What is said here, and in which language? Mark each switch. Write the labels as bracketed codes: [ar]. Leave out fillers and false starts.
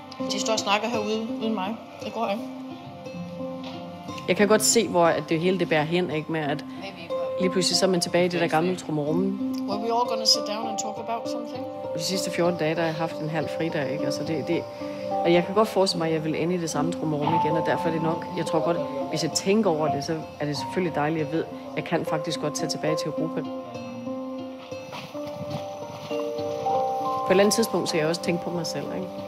[da] De står og snakker herude uden mig. Det går ikke. Jeg kan godt se, hvor det hele det bærer hen, ikke med at lige pludselig så er man tilbage i det der gamle trumrum. [en] Were we all gonna sit down and talk about something? [da] De sidste 14 dage, der har jeg haft en halv fridag, ikke? Altså det, og jeg kan godt forestille mig, at jeg vil ende i det samme trumrum igen, og derfor er det nok, jeg tror godt, hvis jeg tænker over det, så er det selvfølgelig dejligt, at jeg ved, jeg kan faktisk godt tage tilbage til Europa. På et eller andet tidspunkt, så jeg også tænke på mig selv, ikke?